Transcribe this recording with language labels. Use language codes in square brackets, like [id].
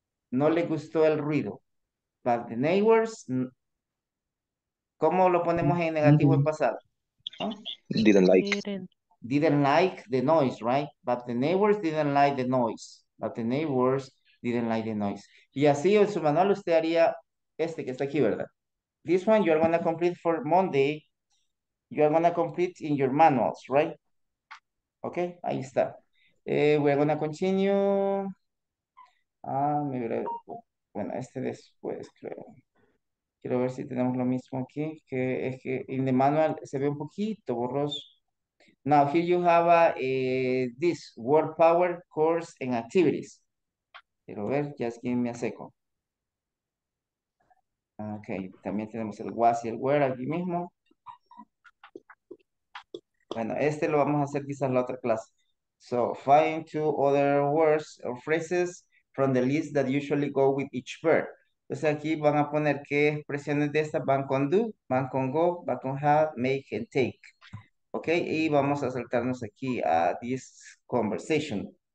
[es] No le gustó el ruido. [en] But the neighbors, [es] ¿cómo lo ponemos en negativo en pasado? [en] ¿No? Didn't like. Didn't like the noise, right? But the neighbors didn't like the noise. But the neighbors didn't like the noise. [es] Y así en su manual usted haría este que está aquí, ¿verdad? [en] This one you are going to complete for Monday. You are going to complete in your manuals, right? Okay, [es] ahí está. [en] We're going to continue. [es] Ah, mi breve. Bueno, este después, creo. Quiero ver si tenemos lo mismo aquí, que es que en el manual se ve un poquito borroso. [en] Now, here you have this word power course and activities. [es] Quiero ver, [en] just give me a second. [es] Ok, también tenemos el was y el were aquí mismo. Bueno, este lo vamos a hacer quizás en la otra clase. [en] So, find two other words or phrases from the list that usually go with each verb. [es] Entonces aquí van a poner qué expresiones de estas van con do, van con go, van con have, make, and take. Ok, y vamos a saltarnos aquí a [en] this conversation.